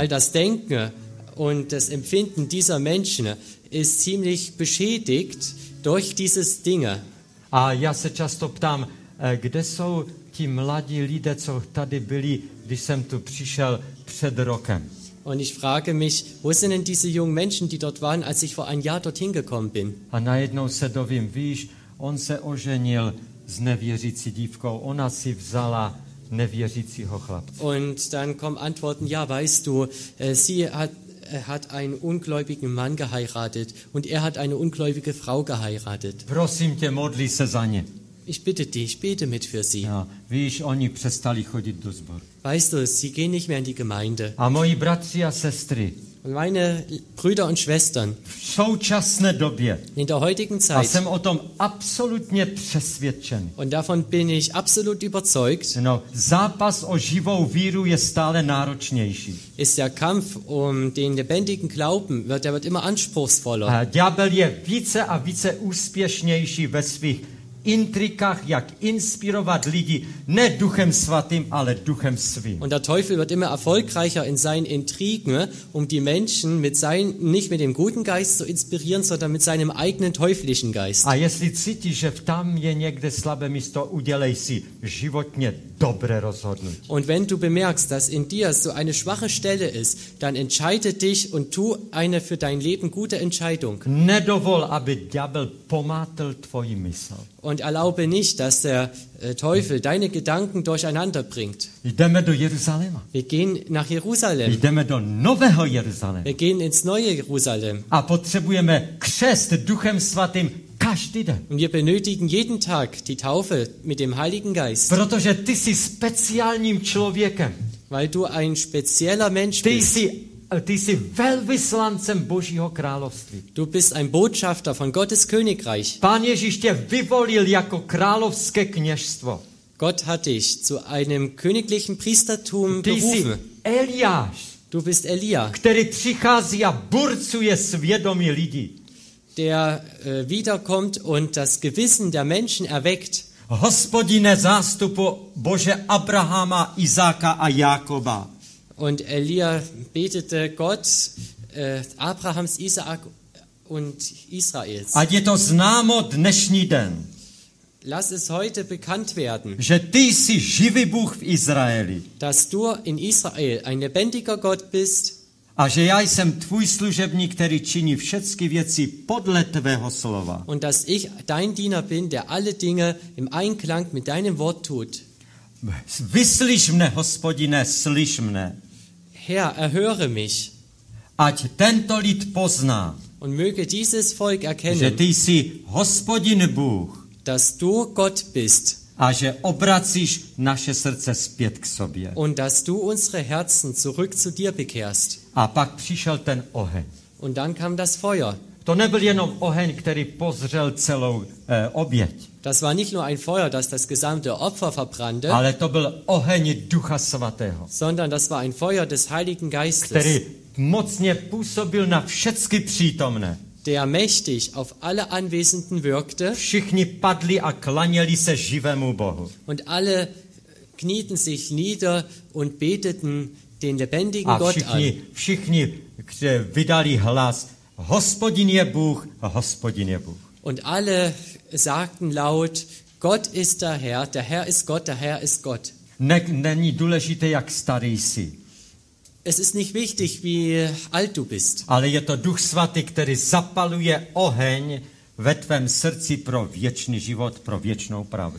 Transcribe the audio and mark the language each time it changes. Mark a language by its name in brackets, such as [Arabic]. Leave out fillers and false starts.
[German] Weil das Denken und das Empfinden dieser Menschen ist ziemlich beschädigt durch dieses Dinge. [Czech] A já se často ptám, kde jsou ti mladí lidé, co tady byli, když jsem tu přišel před rokem. [German] Und ich frage mich, wo sind denn diese jungen Menschen, die dort waren, als ich vor ein Jahr dorthin gekommen bin? [Czech] A najednou se dovím, víš, on se oženil s nevěřící dívkou, ona si vzala nevěřícího chlapce. [German] Und dann kommen Antworten, ja, weißt du, sie hat einen ungläubigen Mann geheiratet und er hat eine ungläubige Frau geheiratet. [Czech] Prosím tě, modli se za ně. [German] Ich bitte dich, bete mit für sie. [Czech] Ja, víš, oni přestali chodit do sboru. [German] Weißt du, sie gehen nicht mehr in die Gemeinde. [Czech] A moji bratři a sestry. [German] Und meine Brüder und Schwestern. [Czech] V současné době. [German] In der heutigen Zeit. [Czech] A jsem o tom absolutně přesvědčen. [German] Und davon bin ich absolut überzeugt. [Czech] No, zápas o živou víru je stále náročnější. [German] Ist der Kampf um den lebendigen Glauben, der wird immer anspruchsvoller. [Czech] A ďábel je více a více úspěšnější ve svých intrikách, jak inspirovat lidi ne duchem svatým, ale duchem svým. [German] Und der Teufel wird immer erfolgreicher in seinen Intrigen, um die Menschen nicht mit dem guten Geist zu inspirieren, sondern mit seinem eigenen teuflischen Geist. [Czech] A jestli cítíš, že tam je někde slabé místo, udělej si životně dobré rozhodnutí. [German] Und wenn du bemerkst, dass in dir so eine schwache Stelle ist, dann entscheide dich und tu eine für dein Leben gute Entscheidung. [Czech] Nedovol, aby ďábel pomátl tvoji mysl. [German] Und erlaube nicht, dass der Teufel deine Gedanken durcheinander bringt. [Czech] Jdeme do Jeruzaléma. [German] Wir gehen nach Jerusalem. [Czech] Jdeme do nového Jeruzaléma. [German] Wir gehen ins neue Jerusalem. [Czech] A potřebujeme křest Duchem svatým každý den. [German] Und wir benötigen jeden Tag die Taufe mit dem Heiligen Geist. [Czech] Protože ty jsi speciálním člověkem. [German] Weil du ein spezieller Mensch [Czech] ty [German] bist. [Czech] Ty jsi velvyslancem Božího království. [German] Du bist ein Botschafter von Gottes Königreich. [Czech] Pán Ježíš tě vyvolil jako královské kněžstvo. [German] Gott hat dich zu einem königlichen Priestertum [Czech] ty [German] berufen. [Czech] Jsi Eliáš, [German] du bist Elia, [Czech] který přichází a burcuje svědomí lidí. [German] Der wiederkommt und das Gewissen der Menschen erweckt. [Czech] Hospodine zástupu Bože Abrahama, Izáka a Jakoba. [German] Und Elia betete Gott Abrahams, Isaak und Israels. [Czech] Ať je to známo dnešní den. [German] Lass es heute bekannt werden. [Czech] Že ty jsi živý Bůh v Izraeli. [German] Dass du in Israel ein lebendiger Gott bist. [Czech] A že já jsem tvůj služebník, který činí všechny věci podle tvého slova. [German] Und dass ich dein Diener bin, der alle Dinge im Einklang mit deinem Wort tut. [Czech] Vyslyš mne, Hospodine, slyš mne. [German] Herr, erhöre mich. [Czech] Ať tento lid pozná. [German] Und möge dieses Volk erkennen. [Czech] Že ty jsi Hospodin Bůh. [German] Dass du Gott bist. [Czech] A že obracíš naše srdce zpět k sobě. [German] Und dass du unsere Herzen zurück zu dir bekehrst. [Czech] A pak přišel ten oheň. [German] Und dann kam das Feuer. [Czech] To nebyl jenom oheň, který pozřel celou oběť. [German] Das war nicht nur ein Feuer, das gesamte Opfer verbrannte. [Czech] Ale to byl oheň Ducha svatého. [German] Sondern das war ein Feuer des Heiligen Geistes. [Czech] Který mocně působil na všechny přítomné. [German] Der mächtig auf alle Anwesenden wirkte. [Czech] Všichni padli a klaněli se živému Bohu. [German] Und alle knieten sich nieder und beteten den lebendigen Gott an. [Czech] A všichni, kteří vydali hlas, Hospodin je Bůh, Hospodin je Bůh. [German] Und alle sagten laut, Gott ist der Herr, der Herr ist Gott, der Herr ist Gott. [Czech] Není důležité, jak starý jsi. [German] Es ist nicht wichtig, wie alt du bist. [Czech] Ale je to Duch svatý, který zapaluje oheň ve tvém srdci pro věčný život, pro věčnou pravdu.